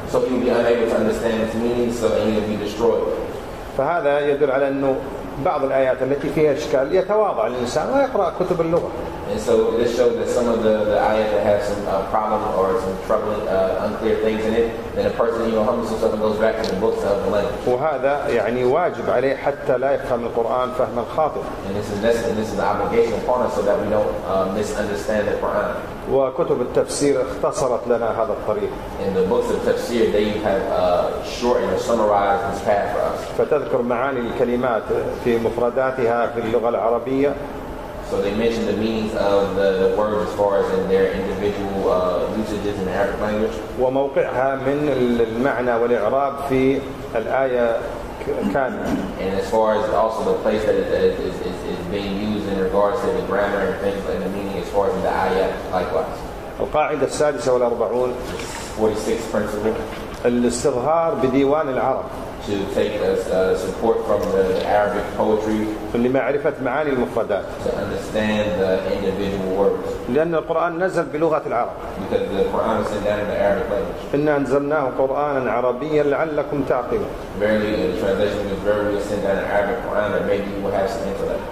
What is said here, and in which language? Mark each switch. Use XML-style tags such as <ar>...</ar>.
<en>So he will be unable to understand its meaning, so he will be destroyed.</en> <ar>فهذا يدل على أنه بعض الآيات التي فيها إشكال يتواضع الإنسان ويقرأ كتب اللغة.</ar> <en>And so this shows that some of the ayat that have some problem or some troubling unclear things in it, then a person even humbles himself and goes back to the books of the language.</en> <ar>وهذا يعني واجب عليه حتى لا يفهم القرآن فهما خاطئا.</ar> <en>And this is the obligation upon us so that we don't misunderstand the Quran.</en> <ar>وكتب التفسير اختصرت لنا هذا الطريق.</ar> <en>In the books of tafsir, they have shortened or summarized this path for us.</en> <ar>فتذكر معاني الكلمات في مفرداتها في اللغة العربية.</ar> <en>So they mention the meanings of the words as far as in their individual usages in the Arabic language.</en> <ar>وموقعها من المعنى والإعراب في الآية كان.</ar> <en>And as far as also the place that is being used in regards to the grammar and things and the meaning as far as in the ayah likewise.</en> <ar>القاعدة السادسة والأربعون.</ar> <en>46th principle.</en> <ar>الاستظهار بديوان العرب.</ar> <en>To take support from the Arabic poetry.</en> <ar>لمعرفة معاني المفردات.</ar> <en>To understand the individual words.</en> <ar>لأن القرآن نزل بلغة العرب.</ar> <en>Because the Quran is sent down in the Arabic language.</en> <ar>إنا أنزلناه قرآنا عربيا لعلكم تعقلون.</ar> <en>Verily, the translation is verily sent down in Arabic Quran that maybe you will have some intellect.</en>